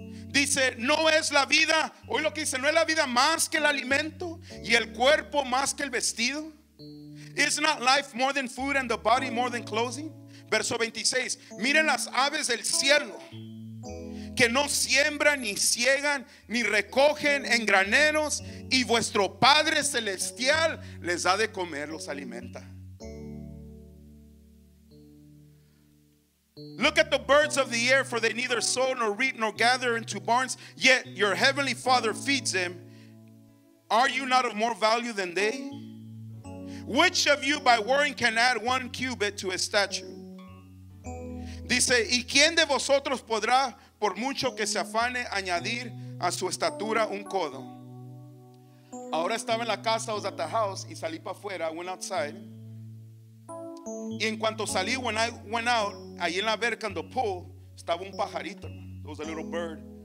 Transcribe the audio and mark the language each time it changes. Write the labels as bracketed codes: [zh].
[es] Dice, no es la vida, hoy lo que dice, no es la vida más que el alimento y el cuerpo más que el vestido. [en] Is not life more than food and the body more than clothing? [es] Verso 26, miren las aves del cielo que no siembran ni siegan ni recogen en graneros y vuestro Padre Celestial les da de comer, los alimenta. [en] Look at the birds of the air, for they neither sow nor reap nor gather into barns, yet your heavenly Father feeds them. Are you not of more value than they? Which of you by worrying can add one cubit to a stature? [es] Dice, ¿y quién de vosotros podrá, por mucho que se afane, añadir a su estatura un codo? Ahora estaba en la casa, [en] I was at the house, [es] y salí para afuera, [en] I went outside. [es] Y en cuanto salí, [en] when I went out, [es] ahí en la verca, en the pool, estaba un pajarito, hermano. [en] It was a little bird.